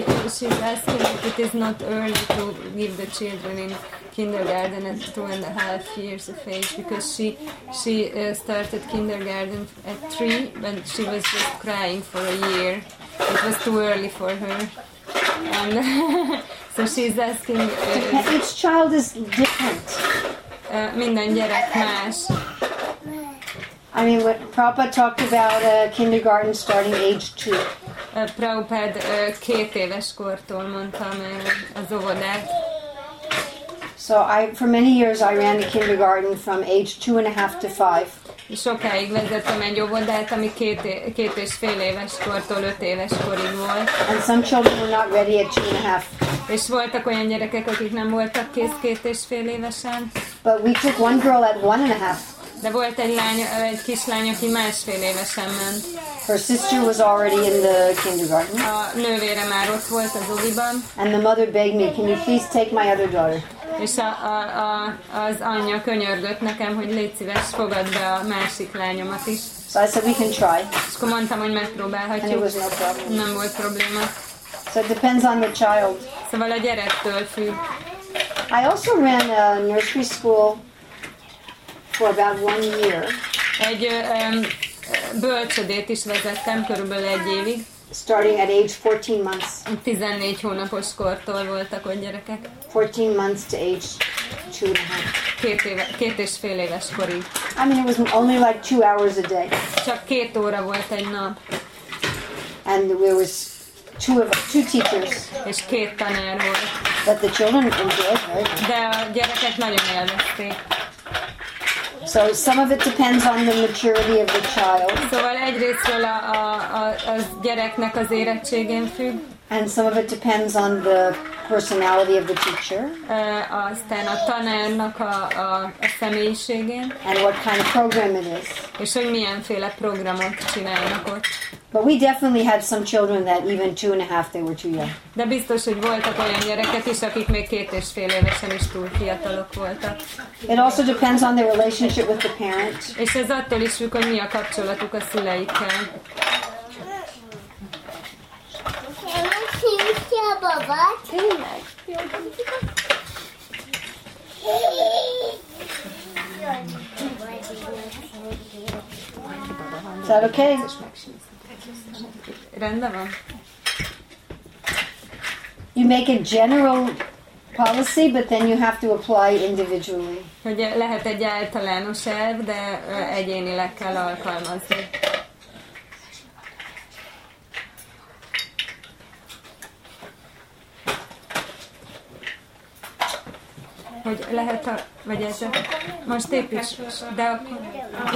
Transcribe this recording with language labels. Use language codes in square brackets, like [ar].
[en] She's asking if it is not early to give the children in kindergarten at 2.5 years of age, because she started kindergarten at 3, but she was just crying for a year. It was too early for her. And so she's asking... Each child is different. [hu] Minden gyerek más. [en] I mean, what Prabhupada talked about kindergarten starting age 2. [hu] Prabhupada 2 éves kortól mondta meg az óvodát. [en] So I, for many years I ran a kindergarten from age 2.5 to 5. [hu] Sokáig vezettem egy óvodát, ami 2.5 éves kortól 5 éves korig volt. [en] And some children were not ready at 2.5. [hu] És voltak olyan gyerekek, akik nem voltak kész 2.5 évesen. [en] But we took one girl at 1.5. [hu] De volt egy lány, egy kislány, aki 1.5 évesen ment. [en] Her sister was already in the kindergarten. [hu] A nővére már ott volt az óviban. [en] And the mother begged me, can you please take my other daughter? [hu] És az anyja könyörgött nekem, hogy légy szíves, fogadd be a másik lányomat is. [en] So I said, we can try. [hu] És akkor mondtam, hogy megpróbálhatjuk. [en] And it was no problem. [hu] Nem volt probléma. [en] So it depends on the child. [hu] Szóval a gyerektől függ. [en] I also ran a nursery school for about 1 year. [hu] Egy bölcsödét is vezettem körülbelül 1 évig. [en] Starting at age 14 months. [hu] 14 hónapos kortól voltak a gyerekek. [en] 14 months to age 2.5. [hu] 2.5 éves korig. [en] I mean, it was only like 2 hours a day. [hu] Csak 2 óra volt egy nap. [en] And there was two teachers. [hu] És 2 tanár volt. [en] But the children enjoyed it. [hu] De a gyerekek nagyon élvezték. [en] So some of it depends on the maturity of the child. [hu] Szóval egyrésztről a gyereknek az érettségén függ. [en] And some of it depends on the personality of the teacher. [hu] Aztán a tanárnak a személyiségén. [en] And what kind of program it is. [hu] És hogy milyenféle programot csinálnak ott. [en] But we definitely had some children that even 2.5, they were too young. [hu] De biztos, hogy voltak olyan gyerekek is, akik még 2.5 évesen is túl fiatalok voltak. [en] It also depends on their relationship with the parent. [hu] És ez attól is függ, hogy mi a kapcsolatuk a szüleikkel. [en] Is that okay? [hu] Rendben van. [en] You make a general policy, but then you have to apply individually. [hu] Hogy lehet egy általános elv, de egyénileg kell alkalmazni. Hogy lehet a... vagy ez a... most épp is... de akkor...